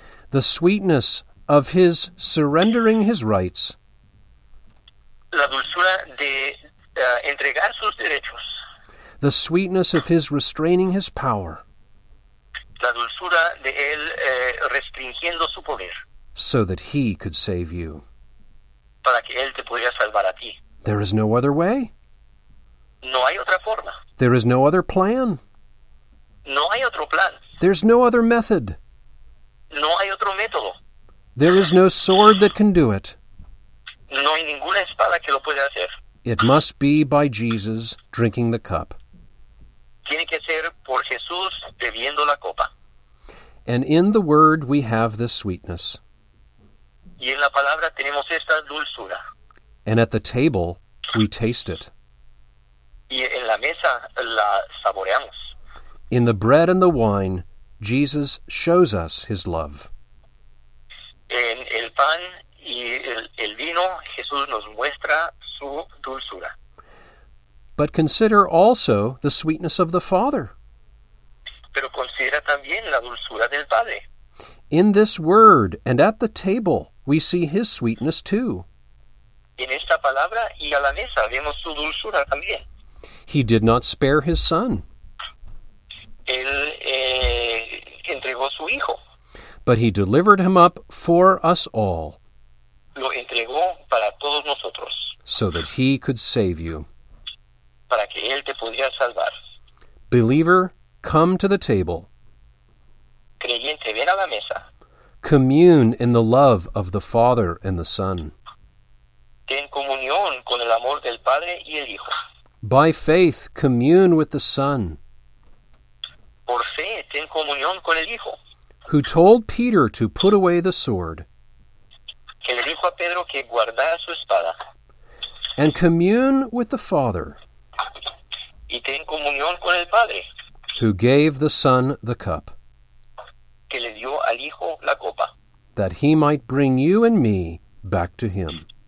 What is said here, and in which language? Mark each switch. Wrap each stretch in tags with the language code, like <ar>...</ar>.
<en>The sweetness of His surrendering His rights.</en> <es>La dulzura de entregar sus derechos.</es> <en>The sweetness of His restraining His power.</en> <es>La dulzura de Él restringiendo su poder.</es> <en>So that He could save you.</en> <es>Para que Él te pudiera salvar a ti.</es> <en>There is no other way.</en> <es>No hay otra forma.</es> <en>There is no other plan.</en> <es>No hay otro plan.</es> <en>There's no other method.</en> <es>No hay otro método.</es> <en>There is no sword that can do it.</en> <es>No hay ninguna espada que lo pueda hacer.</es> <en>It must be by Jesus drinking the cup.</en> <es>Tiene que ser por Jesús bebiendo la copa.</es> <en>And in the Word we have this sweetness.</en> <es>Y en la palabra tenemos esta dulzura.</es> <en>And at the table we taste it.</en> <es>Y en la mesa la saboreamos.</es> <en>In the bread and the wine, Jesus shows us His love.</en> <es>En el pan y el vino, Jesús nos muestra su dulzura.</es> <en>But consider also the sweetness of the Father.</en> <es>Pero considera también la dulzura del Padre.</es> <en>In this word and at the table, we see His sweetness too.</en> <es>En esta palabra y a la mesa vemos su dulzura también.</es> <en>He did not spare His Son.</en> <es>Él entregó su Hijo.</es> <en>But He delivered Him up for us all.</en> <es>Lo entregó para todos nosotros.</es> <en>So that He could save you.</en> <es>Para que Él te pudiera salvar.</es> <en>Believer, come to the table.</en> <es>Creyente, ven a la mesa.</es> <en>Commune in the love of the Father and the Son.</en> <es>Ten comunión con el amor del Padre y el Hijo.</es> <en>By faith, commune with the Son.</en> <es>Por fe, ten comunión con el Hijo.</es> <en>Who told Peter to put away the sword.</en> <es>Que le dijo a Pedro que guardara su espada.</es> <en>And commune with the Father.</en> <es>Y ten comunión con el Padre.</es> <en>Who gave the Son the cup.</en> <es>Que le dio al Hijo la copa.</es> <en>That He might bring you and me back to Him.</en>